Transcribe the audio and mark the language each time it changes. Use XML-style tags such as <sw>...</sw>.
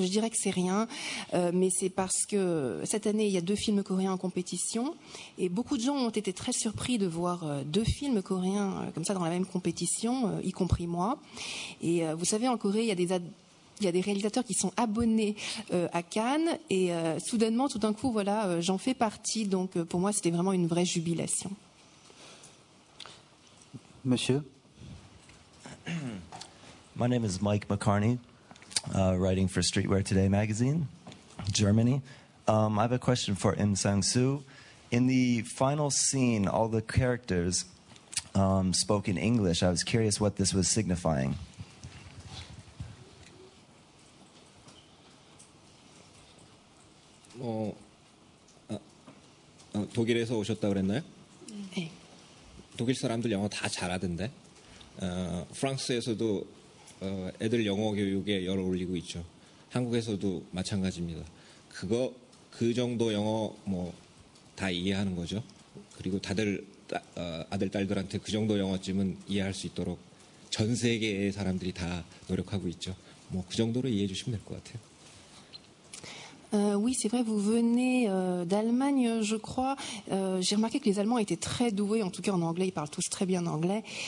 <fr>Je dirais que c'est rien, mais c'est parce que cette année, il y a deux films coréens en compétition, et beaucoup de gens ont été très surpris de voir deux films coréens comme ça dans la même compétition, y compris moi. Et vous savez, en Corée, il y a des réalisateurs qui sont abonnés à Cannes, et soudainement, tout d'un coup, voilà, j'en fais partie. Donc, pour moi, c'était vraiment une vraie jubilation. Monsieur.</fr> <en>My name is Mike McCarney, writing for Streetwear Today magazine, Germany. I have a question for Im Sang-soo. In the final scene, all the characters spoke in English. I was curious what this was signifying.</en> <ko>Oh, 독일에서 오셨다 그랬나요? 독일 사람들 영어 다 잘하던데 프랑스에서도 애들 영어 교육에 열 올리고 있죠 한국에서도 마찬가지입니다 그거 그 정도 영어 뭐 다 이해하는 거죠 그리고 다들 아들 딸들한테 그 정도 영어쯤은 이해할 수 있도록 전 세계의 사람들이 다 노력하고 있죠 뭐 그 정도로 이해해 주시면 될 것 같아요</ko> <fr>Oui, c'est vrai, vous venez d'Allemagne, je crois. J'ai remarqué que les Allemands étaient très doués, en tout cas en anglais, ils parlent tous très bien anglais.</fr>